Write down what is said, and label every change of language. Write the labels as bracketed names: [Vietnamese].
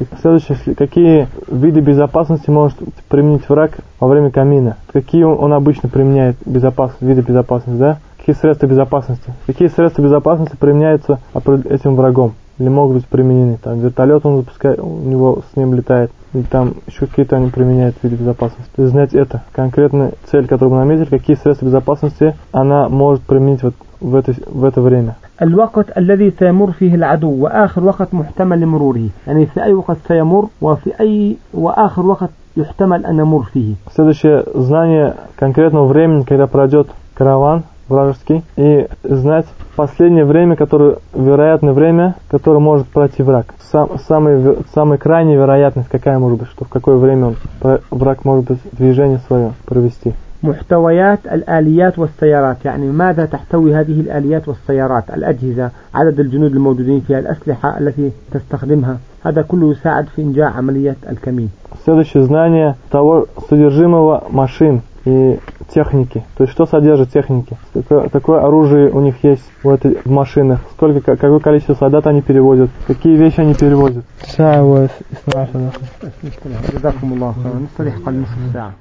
[Russian] Следующий, какие виды безопасности может применить враг во время камина? Какие он обычно применяет безопасность, виды безопасности, да? Какие средства безопасности? Какие средства безопасности применяются этим врагом? Или могут быть применены? Там вертолет он запускает, у него с ним летает. И там еще какие-то они применяют виды безопасности. То есть знать это. Конкретная цель, которую мы наметили, какие средства безопасности она может применить вот в это время. [Arabic] الوقت الذي سيمر فيه العدو وآخر وقت محتمل مروره. يعني في أي وقت سيمر وفي أي وآخر وقت يحتمل أن يمر فيه. [Russian] Следующее знание конкретного времени, когда пройдет караван вражеский, и знать последнее время, которое вероятное время, которое может пройти враг. Самая крайняя вероятность, какая может быть, что в какое время он, враг может быть движение свое провести. [Arabic] محتويات الآليات والسيارات. يعني ماذا تحتوي هذه الآليات والسيارات؟ الأجهزة، عدد الجنود الموجودين فيها، الأسلحة التي تستخدمها. هذا كله يساعد في إنجاح عملية الكمين. [Russian] Следующее знание того содержимого машин и техники. То есть что содержит техники? Какое оружие у них есть в этой в машинах? Сколько, какое количество солдат они перевозят? Какие вещи они перевозят? Саус, исмаша. Джазакумуллах. Мы садихкаль мусульман.